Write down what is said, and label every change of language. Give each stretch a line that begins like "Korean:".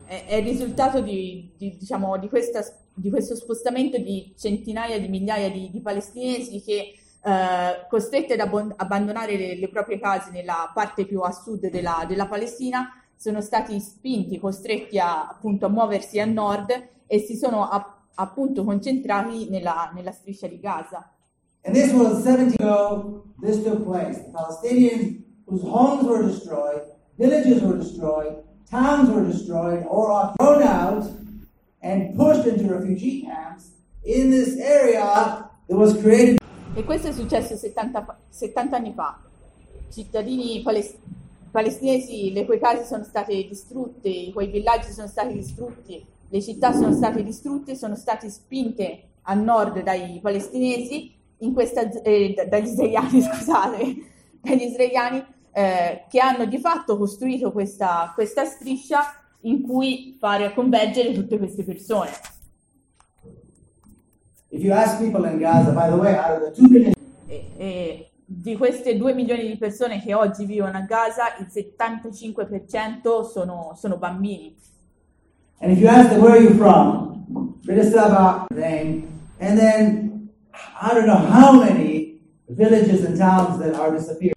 Italian: È il risultato di questo spostamento di centinaia di migliaia di palestinesi che, costrette ad abbandonare le proprie case nella parte più a sud della Palestina, sono stati spinti, costretti appunto a muoversi a nord e si sono appunto concentrati nella striscia di Gaza.
English: And this was 70 years ago, this took place. The Palestinians whose homes were destroyed, villages were destroyed, towns were destroyed, or are thrown out and pushed into refugee camps in this area that was created.
Italian: E questo è successo 70 anni fa. Cittadini palestinesi, le cui case sono state distrutte, i cui villaggi sono stati distrutti, le città sono state distrutte, sono state spinte a nord dai palestinesi, dagli israeliani, che hanno di fatto costruito questa striscia in cui fare convergere tutte queste persone.
English: If you ask people in Gaza, by the way, out of the 2 million,
Italian: di queste 2 milioni di persone che oggi vivono a Gaza, il 75% sono bambini.
English: And if you ask them where are you from, Bratislava, and then I don't know how many villages and towns that are disappeared.